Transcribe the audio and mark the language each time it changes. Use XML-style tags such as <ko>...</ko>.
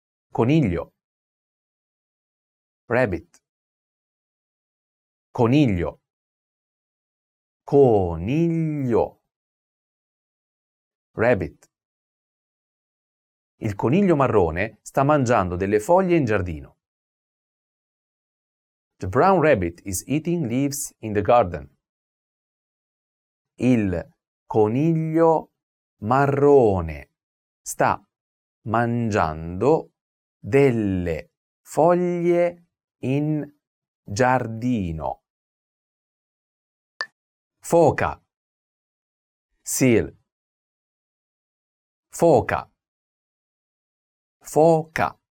<it>Coniglio.</it> <en>Rabbit.</en> <it>Coniglio. Coniglio.</it> <en>Rabbit.</en> <it>Il coniglio marrone sta mangiando delle foglie in giardino.</it> <en>The brown rabbit is eating leaves in the garden.</en> <it>Il coniglio marrone sta mangiando delle foglie in giardino. Foca.</it> <en>Seal.</en> <it>Foca. Foca.</it>